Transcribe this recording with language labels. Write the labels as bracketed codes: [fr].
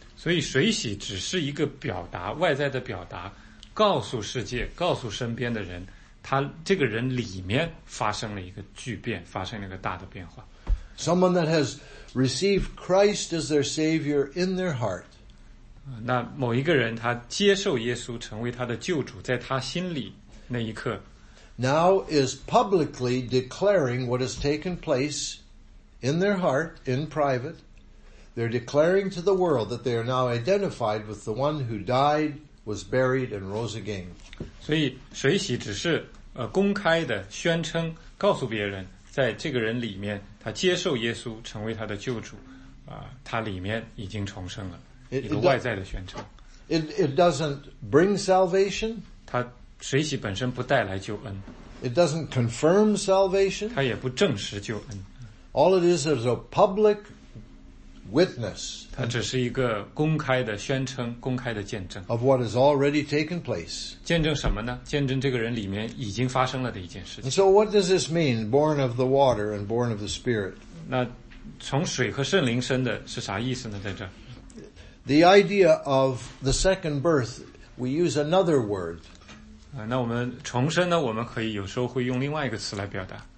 [zh] 所以水洗只是一个表达，外在的表达，告诉世界，告诉身边的人，他这个人里面发生了一个巨变，发生了一个大的变化。 [en] Someone that has received Christ as their Savior in their heart. [zh] 那某一个人他接受耶稣成为他的救主，在他心里那一刻。 [en] Now is publicly declaring what has taken place in their heart, in private. They're declaring to the world that they are now identified with the one who died, was buried, and rose again. [zh] 所以水洗只是公开的宣称，告诉别人在这个人里面他接受耶稣成为他的救主，他里面已经重生了，一个外在的宣称。 [en] It doesn't bring salvation. [zh] 他水洗本身不带来救恩。 [en] It doesn't confirm salvation. [zh] 他也不证实救恩。 [en] All it is a public witness. [zh] 它只是一个公开的宣称，公开的见证。 [en] Of what has already taken place. [zh] 见证什么呢？见证这个人里面已经发生了的一件事情。 [en] And so what does this mean? Born of the water and born of the Spirit. [zh] 那从水和圣灵生的是啥意思呢？在这。 [en] The idea of the second birth, we use another word. [zh] 那我们重生呢，我们可以有时候会用另外一个词来表达。